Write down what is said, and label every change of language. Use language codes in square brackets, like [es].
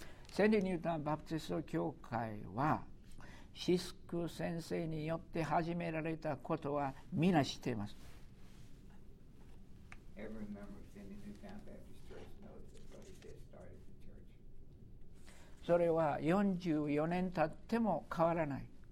[ja] センディニュータンバプテスト教会はシスク先生によって始められたことはみんな知っています。 [en] Every member of Sandy Newtown Baptist Church knows that what he did started the church. [ja] それは44年経っても変わらない。